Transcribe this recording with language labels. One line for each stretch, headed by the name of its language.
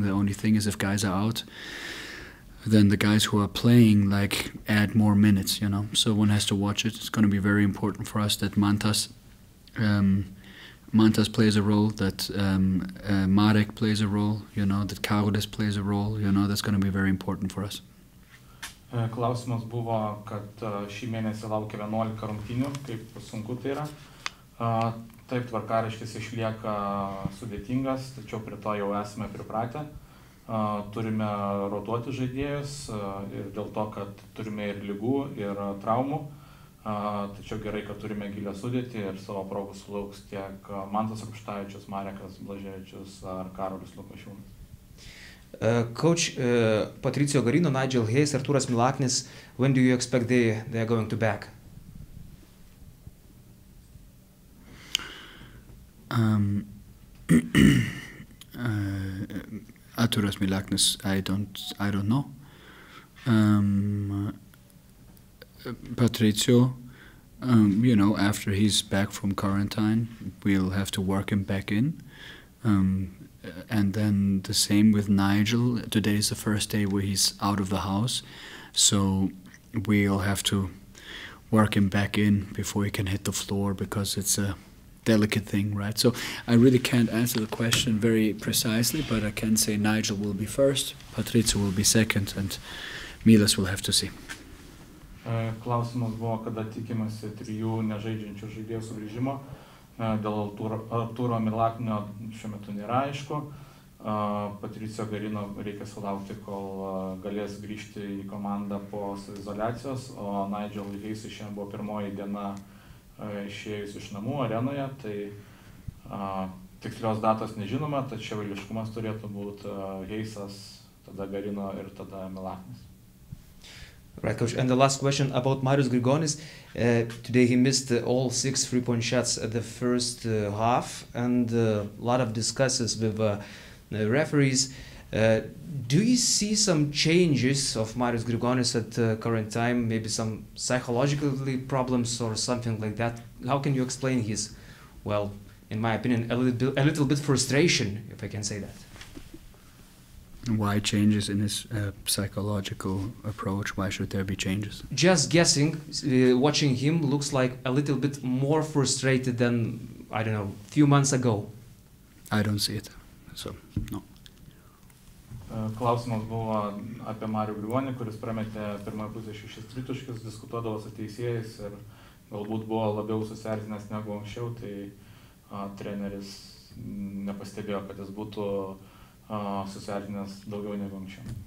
English: The only thing is if guys are out, then the guys who are playing, like, add more minutes, you know. So one has to watch it. It's going to be very important for us that Mantas plays a role, that Marek plays a role, you know, that Kaudis plays a role, you know, that's going to be very important for us.
Lithuanian: Klausimas buvo, kad šį mėnesį laukia 11 rungtynių, kaip sunku tai yra. Taip, tvarkariškis išlieka sudėtingas, tačiau prie to jau esame pripratę. Turime rotuoti žaidėjus ir dėl to, kad turime ir ligų, ir traumų. Tačiau gerai, kad turime gilę sudėtį ir savo progų sulauks tiek Mantas Rupštavičius, Marekas Blaževičius ar Karolis Lukošiūnas.
English: Coach Patricio Garino, Nigel Hayes, Artūras Milaknis, when do you expect they are going to back? Artūras Milaknis, I don't know. Patricio, you know, after he's back from quarantine, we'll have to work him back in. And then the same with Nigel. Today is the first day where he's out of the house, so we'll have to work him back in before he can hit the floor because it's a delicate thing, right? So I really can't answer the question very precisely, but I can say Nigel will be first, Patricio will be second, and Milas will have to see.
Lithuanian: Klausimas buvo, kada tikimasi trijų nežaidžiančių žaidėjų sugrįžimo. Dėl Artūro Milaknio šiuo metu nėra aišku. Patricio Garino reikia sulaukti, kol galės grįžti į komandą po izoliacijos. O Nigel Hayes šiandien buvo pirmoji diena išėjus iš namų arenoje. Tai tikslios datos nežinoma, tačiau vėliškumas turėtų būti Hayesas, tada Garino ir tada Milaknis.
English: Right, coach. And the last question about Marius Grigonis. Today he missed all 6 three-point shots at the first half, and a lot of discusses with the referees. Do you see some changes of Marius Grigonis at the current time, maybe some psychologically problems or something like that? How can you explain his, well, in my opinion, a little bit frustration, if I can say that? Why changes in his psychological approach? Why should there be changes? Just guessing, watching him looks like a little bit more frustrated than, I don't know, a few months ago. I don't see it, so no.
Lithuanian: Klausimas buvo apie Marių Grigonį, kuris prametė pirmąjį pusę 6 tritaškius, diskutuodavo su teisėjais ir galbūt buvo labiau susierzinęs negu anksčiau, tai treneris nepastebėjo, kad jis būtų susierzinęs daugiau negu anksčiau.